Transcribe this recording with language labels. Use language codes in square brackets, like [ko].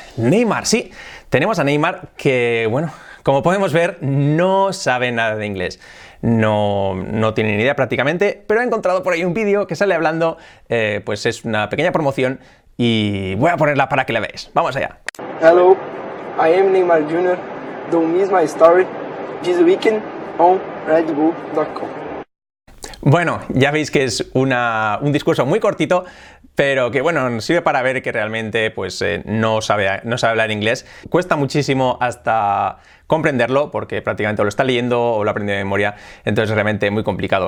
[es] Neymar, sí, tenemos a Neymar que, bueno, como podemos ver, no sabe nada de inglés. No tiene ni idea prácticamente, pero he encontrado por ahí un vídeo que sale hablando, pues es una pequeña promoción y voy a ponerla para que la veáis. Vamos allá. [en] Hello, I am Neymar Jr. Don't miss my story this weekend on RedBull.com. [es] Bueno, ya veis que es un discurso muy cortito, pero que bueno, sirve para ver que realmente pues, no sabe hablar inglés. Cuesta muchísimo hasta comprenderlo, porque prácticamente lo está leyendo o lo aprende de memoria, entonces realmente muy complicado.